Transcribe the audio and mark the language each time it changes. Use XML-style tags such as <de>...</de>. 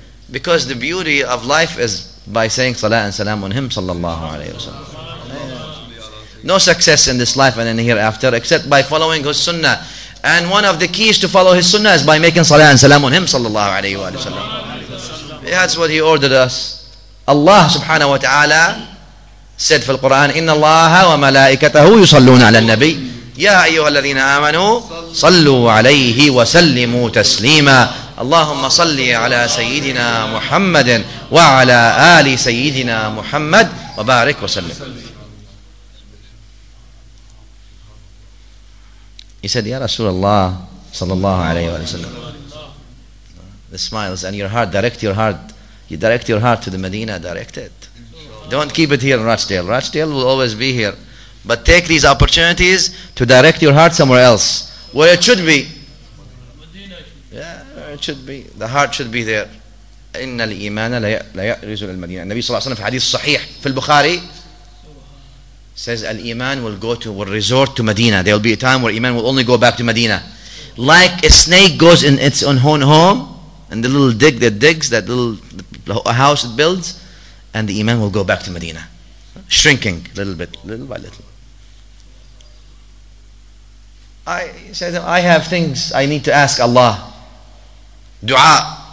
<en>Because the beauty of life is by saying صلاة and سلام on him</en> <ar>صلى الله عليه وسلم.</ar> <en>No success in this life and in hereafter except by following his sunnah. And one of the keys to follow his sunnah is by making صلاة and سلام on him</en> <ar>صلى الله عليه وسلم.</ar> <en>That's what he ordered us.</en> <ar>Allah سبحانه وتعالى</ar> <en>said</en> <ar>في القرآن إن الله وملائكته يصلون على النبي يا أيها الذين آمنوا صلوا عليه وسلموا تسليما. اللهم صل على سيدنا محمد وعلى آل سيدنا محمد وبارك وسلم.</ar> <en>He said,</en> <ar>يا رسول الله صلى الله عليه وسلم.</ar> <en>The smiles and your heart, direct your heart. You direct your heart to the Medina, direct it. Don't keep it here in Rochdale. Rochdale will always be here. But take these opportunities to direct your heart somewhere else, where it should be. It should be. The heart should be there.</en> <ar>إن الإيمان لا يأرز المدينة. النبي صلى الله عليه وسلم في حديث صحيح في البخاري</ar> <en>says</en> <ar>الإيمان</ar> <en>will go to, will resort to Medina. There will be a time where Iman will only go back to Medina. Like a snake goes in its own home, and the little dig that digs, that little house it builds, and the Iman will go back to Medina. Shrinking little bit, little by little. I have things I need to ask Allah. Dua.</en>